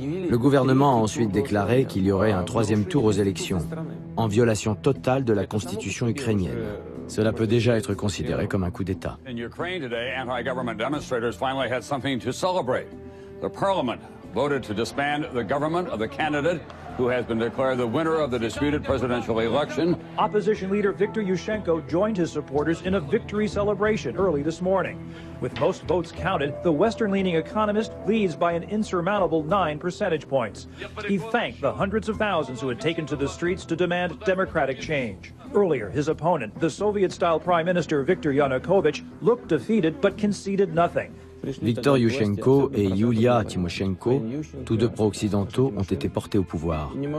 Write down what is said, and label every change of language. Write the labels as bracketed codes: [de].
[fr] Le gouvernement a ensuite déclaré qu'il y aurait un troisième tour aux élections, en violation totale de la constitution ukrainienne. Cela peut déjà être considéré comme un coup d'État. [en] In Ukraine today, anti-government demonstrators finally had something to celebrate. The parliament voted to disband the government of the candidate who has been declared the winner of the disputed presidential election. Opposition leader Viktor Yushchenko joined his supporters in a victory celebration early this morning. With most votes counted, the Western-leaning economist leads by an insurmountable 9 percentage points. He thanked the hundreds of thousands who had taken to the streets to demand democratic change. Earlier, his opponent, the Soviet-style prime minister Viktor Yanukovych, looked defeated but conceded nothing. [fr] Viktor Yushchenko et Yulia Tymoshenko, tous deux pro-occidentaux, ont été portés au pouvoir.